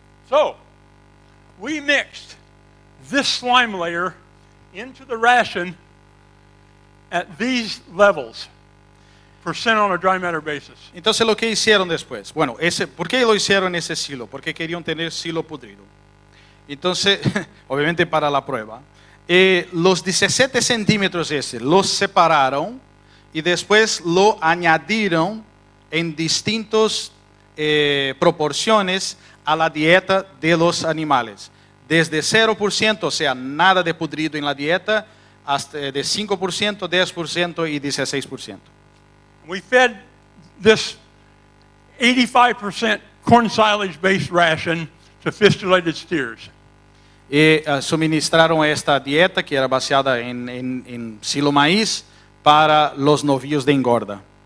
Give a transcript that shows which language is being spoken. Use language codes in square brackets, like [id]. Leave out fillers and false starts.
[en] So, we mixed this slime layer into the ration at these levels. Percent on a dry matter basis. [es] Entonces, lo que hicieron después. Bueno, ¿por qué lo hicieron en ese silo? Porque querían tener silo pudrido. Entonces, obviamente para la prueba. Los 17 centímetros ese, los separaron y después lo añadieron en distintas proporciones a la dieta de los animales. Desde 0%, o sea, nada de pudrido en la dieta, hasta de 5%, 10% y 16%. [en] We fed this 85% corn silage based ration to fistulated steers. [es] Y suministraron esta dieta que era basada en silo maíz para los novillos de engorda.